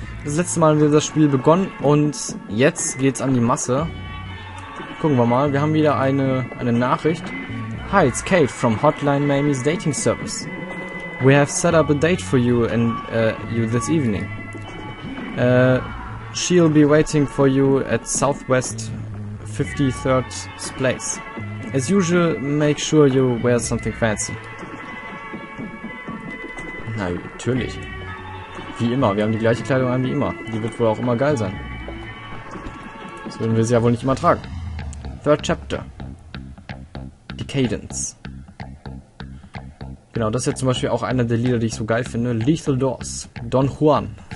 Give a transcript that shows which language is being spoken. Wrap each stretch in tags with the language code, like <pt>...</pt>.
<de>Das letzte Mal haben wir das Spiel begonnen und jetzt geht's an die Masse. Gucken wir mal, wir haben wieder eine Nachricht.</de> <en>Hi, it's Kate from Hotline Miami's Dating Service. We have set up a date for you and you this evening. She'll be waiting for you at Southwest 53rd Place. As usual, make sure you wear something fancy.</en> <de>Na, natürlich. Wie immer, wir haben die gleiche Kleidung an wie immer. Die wird wohl auch immer geil sein. Das würden wir sie ja wohl nicht immer tragen. Third Chapter. Die Cadence. Genau, das ist ja zum Beispiel auch einer der Lieder, die ich so geil finde. Lethal Doors. Don Juan.</de>